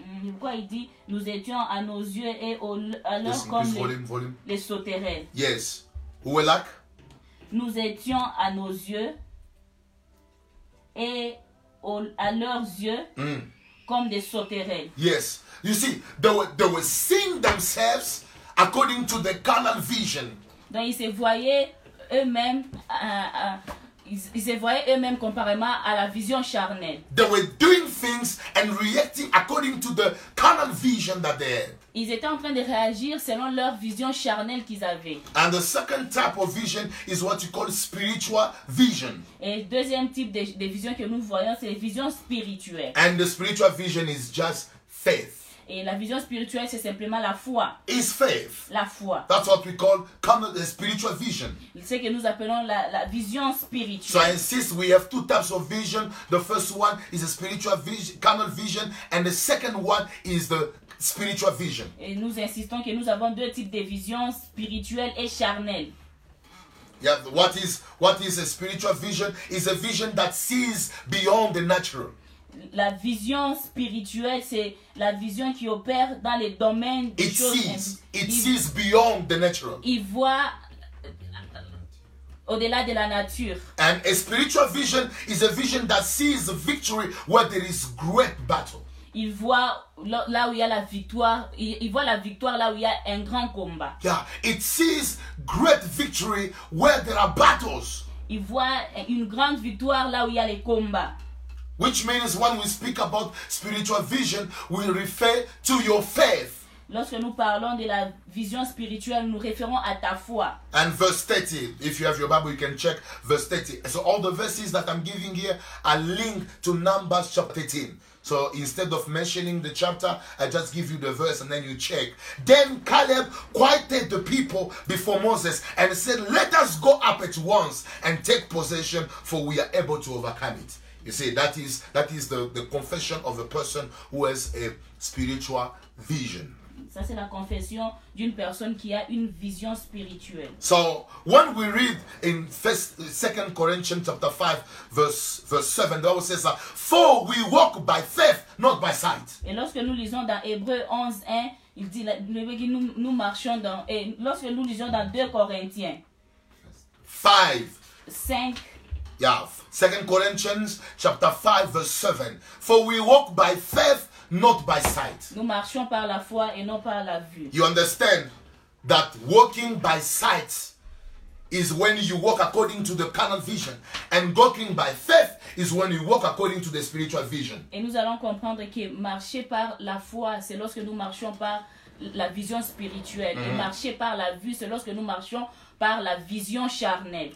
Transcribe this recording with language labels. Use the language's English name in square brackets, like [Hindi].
[French] Pourquoi il dit nous étions à nos yeux et alors comme volume. Les sauterelles. [English] Yes. Who were like? [French] Nous étions à nos yeux et à leurs yeux comme des sauterelles. [English] Yes. You see, they were seeing themselves according to the carnal vision. [French] Donc ils se voyaient eux-mêmes ils se voyaient eux-mêmes comparément à la vision charnelle. [English] They were doing things and reacting according to the carnal vision that they had. [French] Ils étaient en train de réagir selon leur vision charnelle qu'ils avaient. [English] And the second type of vision is what you call spiritual vision. [French] Et deuxième type de vision que nous voyons, c'est la vision spirituelle. [English] And the spiritual vision is just faith. [French] Et la vision spirituelle, c'est simplement la foi. [English] It's faith. [French] La foi. [English] That's what we call carnal spiritual vision. [French] C'est ce que nous appelons la vision spirituelle. [English] So I insist, we have two types of vision. The first one is a spiritual vision, carnal vision, and the second one is the spiritual vision. [French] Et nous insistons que nous avons deux types de vision, spirituelle et charnelle. [English] Yeah, what is a spiritual vision? It's a vision that sees beyond the natural. [French] La vision spirituelle, c'est la vision qui opère dans les domaines des choses. [English] It sees beyond the natural. [French] Il voit au-delà de la nature. [English] And a spiritual vision is a vision that sees victory where there is great battle. [French] Il voit là où il y a la victoire. Il voit la victoire là où il y a un grand combat. [English] Yeah, it sees great victory where there are battles. [French] Il voit une grande victoire là où il y a les combats. [English] Which means when we speak about spiritual vision, we refer to your faith. [French] Lorsque nous parlons de la vision spirituelle, nous référons à ta foi. [English] And verse 30, if you have your Bible, you can check verse 30. So all the verses that I'm giving here are linked to Numbers chapter 13. So instead of mentioning the chapter, I just give you the verse and then you check. Then Caleb quieted the people before Moses and said, let us go up at once and take possession, for we are able to overcome it. You see, that is the confession of a person who has a spiritual vision. [French] Ça, c'est la confession d'une personne qui a une vision spirituelle. [English] So when we read in 2 Corinthians chapter 5 verse 7, the Bible says that for we walk by faith, not by sight. [French] Et lorsque nous lisons dans Hébreux 11:1, il dit nous marchons dans, et lorsque nous lisons dans 2 Corinthiens [English] 5. Yeah, 2 Corinthians chapter 5 verse 7. For we walk by faith, not by sight. [French] Nous marchons par la foi et non par la vue. [English] You understand that walking by sight is when you walk according to the carnal vision, and walking by faith is when you walk according to the spiritual vision. [French] Et nous allons comprendre que marcher par la foi, c'est lorsque nous marchons par la vision spirituelle. Mm-hmm. Et marcher par la vue, c'est lorsque nous marchons par la vision charnelle.